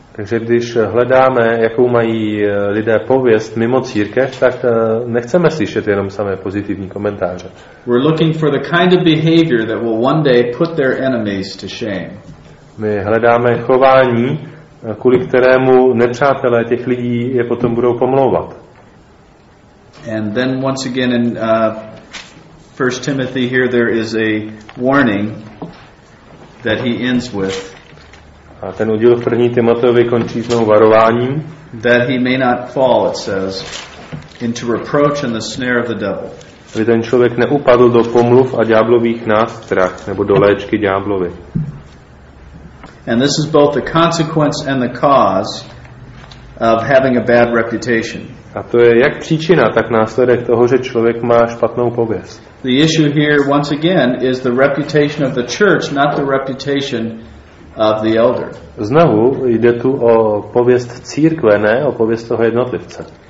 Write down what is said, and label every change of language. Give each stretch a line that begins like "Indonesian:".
Czech: Takže když hledáme, jakou mají lidé pověst mimo církev, tak nechceme slyšet jenom samé pozitivní komentáře.
English: We're looking for the kind of behavior that will one day put their enemies to shame.
Czech: My hledáme chování, kvůli kterému nepřátelé těch lidí je potom budou pomlouvat.
English: And then once again in 1 Timothy here there is a warning that he ends with.
Czech: A ten uděl v 1. Timoteovi končí s varováním.
English: That he may not fall, it says, into reproach and the snare of the devil.
Czech: Aby ten člověk neupadl do pomluv a ďáblových nástrah, nebo do léčky ďáblovy.
English: And this is both the consequence and the cause of having a bad reputation.
Czech: A to je jak příčina, tak následek toho, že člověk má špatnou pověst.
English: The issue here once again is the reputation of the church, not the reputation of the elder.
Czech: Znovu jde tu o pověst církve, ne o pověst toho jednotlivce.